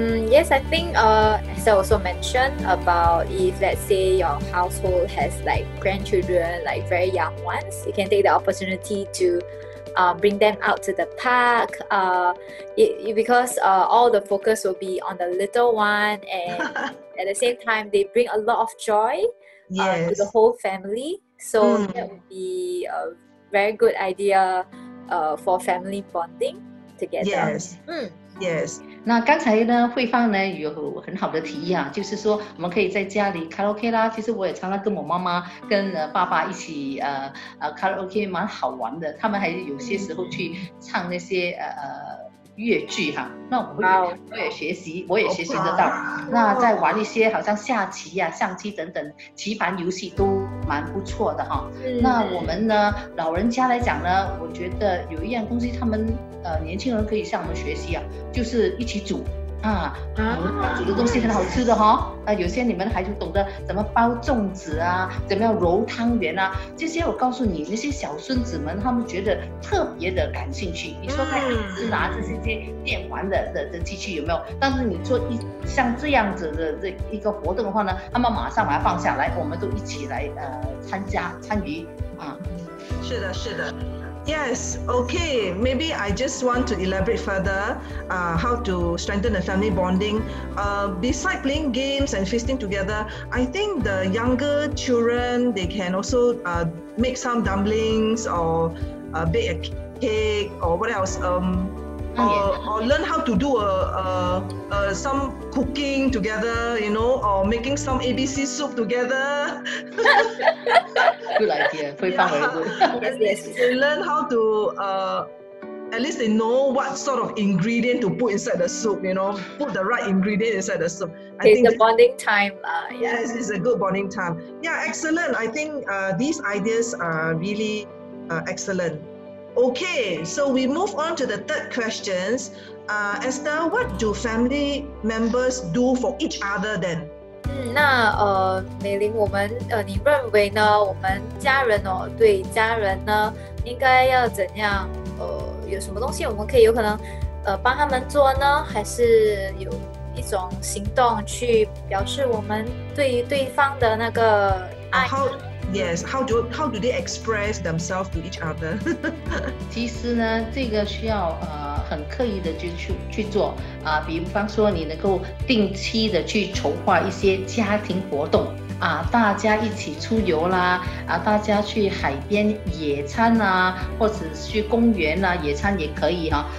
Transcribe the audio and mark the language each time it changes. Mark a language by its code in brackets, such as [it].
[en] Yes, I think as I also mentioned about if let's say your household has like grandchildren, like very young ones, you can take the opportunity to bring them out to the park because all the focus will be on the little one and at the same time they bring a lot of joy to the whole family. So that would be a very good idea for family bonding together. Yes. Yes. [zh] 那刚才呢，慧芳呢有很好的提议啊，就是说我们可以在家里卡拉 OK 啦。其实我也常常跟我妈妈、跟爸爸一起卡拉 OK， 蛮好玩的。他们还有些时候去唱那些粤剧哈、啊。那我会、我也学习，我也学习得到。那再玩一些好像下棋呀、象棋等等棋盘游戏都蛮不错的哈。那我们呢，老人家来讲呢，我觉得有一样东西他们。年轻人可以向我们学习啊，就是一起煮啊，煮的东西很好吃的哈、有些你们还就懂得怎么包粽子啊，怎么样揉汤圆啊，这些我告诉你，那些小孙子们他们觉得特别的感兴趣。你说他一直拿着这些电玩的机器有没有？但是你做一像这样子的这一个活动的话呢，他们马上把它放下来，我们都一起来参加参与啊。是的，是的。 [en] Yes, okay, maybe I just want to elaborate further how to strengthen the family bonding. Besides playing games and feasting together, I think the younger children, they can also make some dumplings or bake a cake or what else, or learn how to do some cooking together, you know, or making some ABC soup together. Good idea. Yeah. They learn how to, at least they know what sort of ingredient to put inside the soup, you know, put the right ingredient inside the soup. Okay, it's a bonding time. Yes, it's a good bonding time. Yeah, excellent. I think these ideas are really excellent. Okay, so we move on to the third question. Esther, what do family members do for each other then? [zh] 那美玲，我们你认为呢？我们家人哦，对家人呢，应该要怎样？有什么东西我们可以有可能帮他们做呢？还是有一种行动去表示我们对对方的那个爱？ [en] Yes, how do they express themselves to each other? [zh] 其实呢，这个需要很刻意的去做啊。比方说，你能够定期的去筹划一些家庭活动啊，大家一起出游啦，啊，大家去海边野餐啊，或者去公园啊野餐也可以哈、啊。